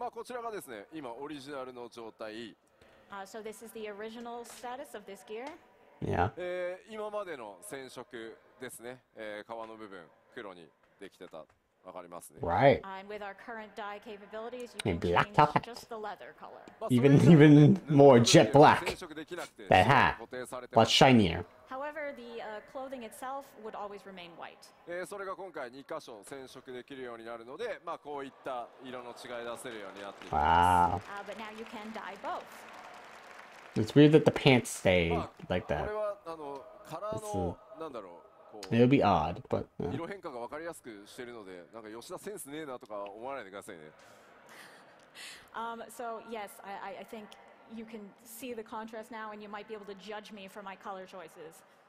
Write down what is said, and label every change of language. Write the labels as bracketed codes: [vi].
[ja] まあこちらがですね、今オリジナルの状態。 [en] So this is the original status of this gear. Yeah. [ja] 今までの染色ですね、革の部分黒にできてた、わかりますね。 [en] Right. And with our current dye capabilities, you can change just the leather color. Even more jet black. That hat, but shinier. However, the clothing itself would always remain white. [ja] それが今回2箇所染色できるようになるので、まあこういった色の違い出せるようになっています [en] Wow. But now you can dye both. It's weird that the pants stay like that. [ja] これはあの空のなんだろう。 [en] It'll be odd, but. [ja] 色変化がわかりやすくしているので、なんか吉田センスねえなとか思わないでくださいね。 [en] So yes, I think. You can see the contrast now, and you might be able to judge me for my color choices.